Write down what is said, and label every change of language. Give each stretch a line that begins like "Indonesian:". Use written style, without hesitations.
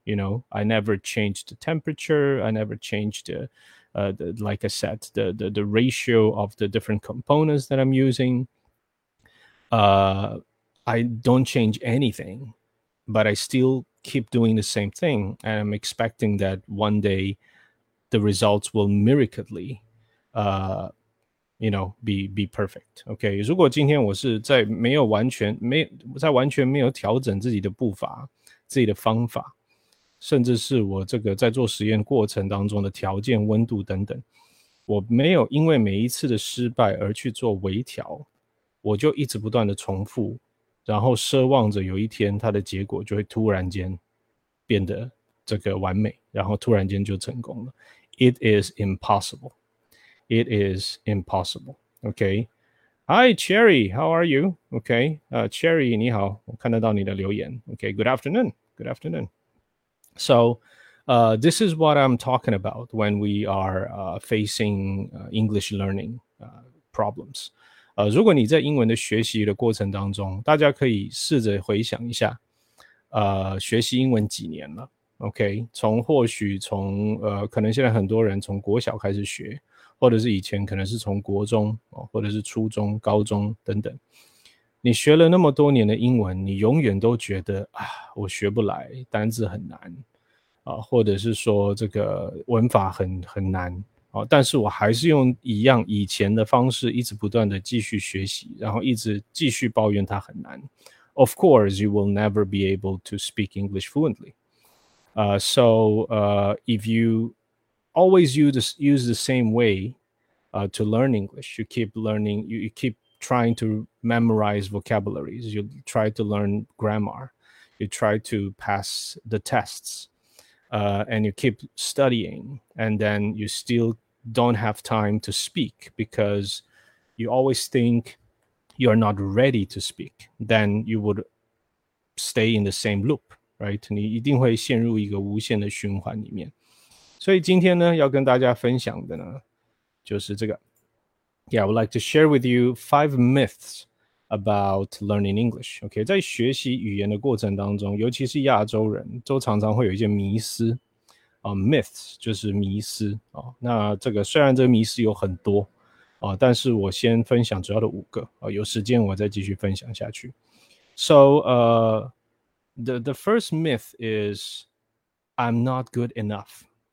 English: You know, I never changed the temperature. I never changed like I said, the ratio of the different components that I'm using. I don't change anything, but I still keep doing the same thing. And I'm expecting that one day the results will miraculously, you know, be perfect.
Chinese: OK，如果今天我是在没有完全没在完全没有调整自己的步伐、自己的方法，甚至是我这个在做实验过程当中的条件、温度等等，我没有因为每一次的失败而去做微调，我就一直不断的重复，然后奢望着有一天它的结果就会突然间变得这个完美，然后突然间就成功了。
English: It is impossible. It is impossible. Okay. Hi, Cherry. How are you? Okay.
Chinese: Cherry, 你好，我看得到你的留言。Okay.
English: Good afternoon. Good afternoon. So, this is what I'm talking about when we are facing English learning problems.
Chinese: 如果你在英文的学习的过程当中，大家可以试着回想一下，学习英文几年了 ？OK， 或许从可能现在很多人从国小开始学，或者是以前可能是从国中，或者是初中、高中等等。你学了那么多年的英文，你永远都觉得啊，我学不来，单字很难啊，或者是说这个文法很难。但是我还是用一样以前的方式一直不断的继续学习，然后一直继续抱怨它很难。
English: Of course, you will never be able to speak English fluently. So, if you always use the same way to learn English, you keep trying to memorize vocabularies, you try to learn grammar, you try to pass the tests, and you keep studying, and then you still don't have time to speak because you always think you're not ready to speak, then you would stay in the same loop, right?
Chinese: 你一定会陷入一个无限的循环里面。所以今天呢，要跟大家分享的呢，就是这个。
English: Yeah, I would like to share with you 5 myths about learning English.
Chinese: Okay, 在学习语言的过程当中，尤其是亚洲人，都常常会有一些迷思。 Myths 就是迷思、那这个虽然这个迷思有很多、但是我先分享主要的五个、有时间我再继续分享下去。
English: So, the first myth is I'm not good enough.